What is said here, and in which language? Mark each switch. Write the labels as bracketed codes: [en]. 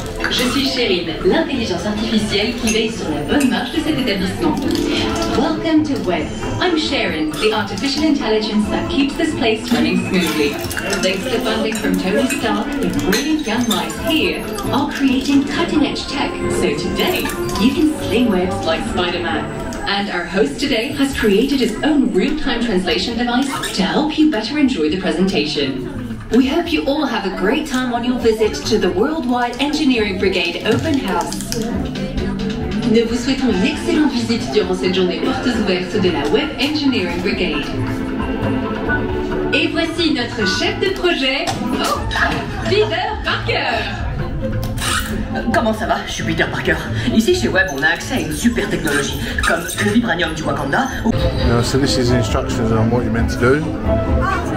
[fr] Je suis Sherine, l'intelligence artificielle qui veille sur la bonne marche de cet établissement. [en] Welcome to Web. I'm Sharon, the artificial intelligence that keeps this place running smoothly. Thanks to funding from Tony Stark, the brilliant young minds here are creating cutting-edge tech. So today, you can sling webs like Spider-Man. And our host today has created his own real-time translation device to help you better enjoy the presentation. We hope you all have a great time on your visit to the Worldwide Engineering Brigade Open House. [fr] Nous vous souhaitons une excellente visite durant cette journée portes ouvertes de la Web Engineering Brigade. Et voici notre chef de projet, Peter Parker! Comment ça va? Je suis Peter Parker. Ici chez Web, on a accès à une super technologie, comme le vibranium du Wakanda ou... [en] No, so this is instructions on what you're meant to do.